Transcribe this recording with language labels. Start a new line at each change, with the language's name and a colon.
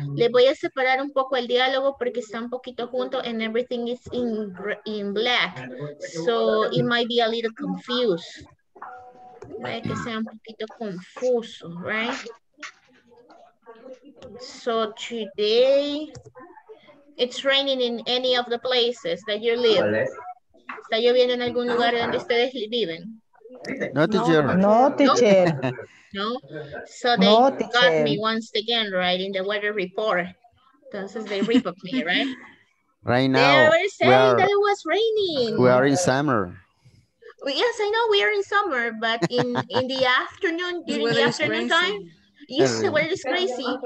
Spanish: Les voy a separar un poco el diálogo porque está un poquito junto
English: and everything is in black. So it might be a little confused.
Spanish: Puede que sea un poquito confuso,
English: right? So today, it's raining in any of the places that you live.
Spanish: ¿Está lloviendo en algún lugar donde ustedes viven?
English: No teacher. No, no teacher. No. So they no, got me once again, right, in the weather report. Entonces they rip up me, right? Right now. They were saying that it was raining. We are in summer. Well, yes, I know we are in summer, but in the afternoon, during the afternoon time, yes, the weather is crazy.